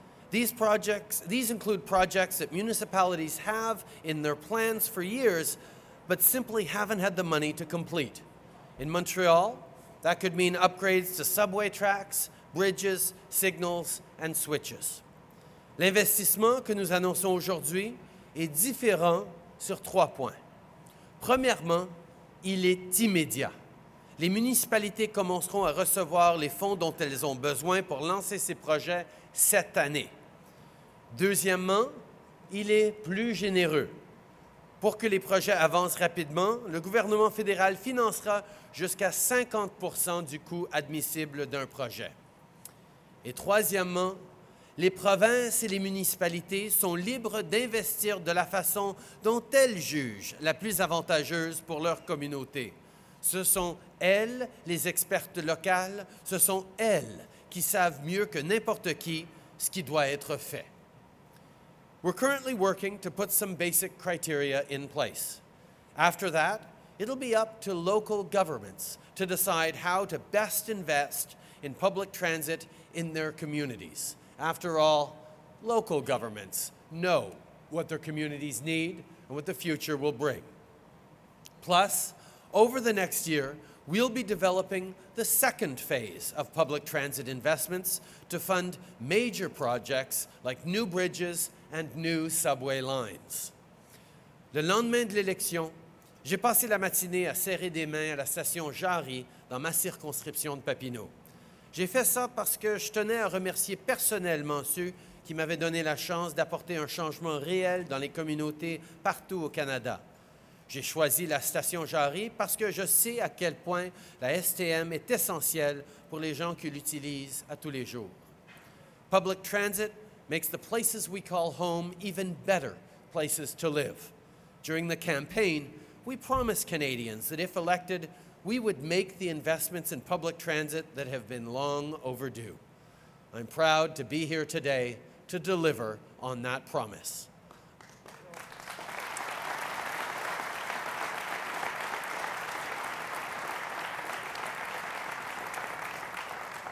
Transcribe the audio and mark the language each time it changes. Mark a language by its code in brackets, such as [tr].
[en] These include projects that municipalities have in their plans for years, but simply haven't had the money to complete. In Montreal, that could mean upgrades to subway tracks, bridges, signals, and switches. [fr] L'investissement que nous annonçons aujourd'hui est différent sur 3 points. Premièrement, il est immédiat. Les municipalités commenceront à recevoir les fonds dont elles ont besoin pour lancer ces projets cette année. Deuxièmement, il est plus généreux. Pour que les projets avancent rapidement, le gouvernement fédéral financera jusqu'à 50 % du coût admissible d'un projet. Et troisièmement, les provinces et les municipalités sont libres d'investir de la façon dont elles jugent la plus avantageuse pour leur communauté. Ce sont elles, les expertes locales, ce sont elles qui savent mieux que n'importe qui ce qui doit être fait. [en] We're currently working to put some basic criteria in place. After that, it'll be up to local governments to decide how to best invest in public transit in their communities. After all, local governments know what their communities need and what the future will bring. Plus, over the next year, we'll be developing the second phase of public transit investments to fund major projects like new bridges and new subway lines. [fr] Le lendemain de l'élection, j'ai passé la matinée à serrer des mains à la station Jarry dans ma circonscription de Papineau. J'ai fait ça parce que je tenais à remercier personnellement ceux qui m'avaient donné la chance d'apporter un changement réel dans les communautés partout au Canada. J'ai choisi la station Jarry parce que je sais à quel point la STM est essentielle pour les gens qui l'utilisent à tous les jours. [en] Public transit makes the places we call home even better places to live. During the campaign, we promised Canadians that if elected, we would make the investments in public transit that have been long overdue. I'm proud to be here today to deliver on that promise. [fr] Encore une fois, je vous remercie tous d'être ici aujourd'hui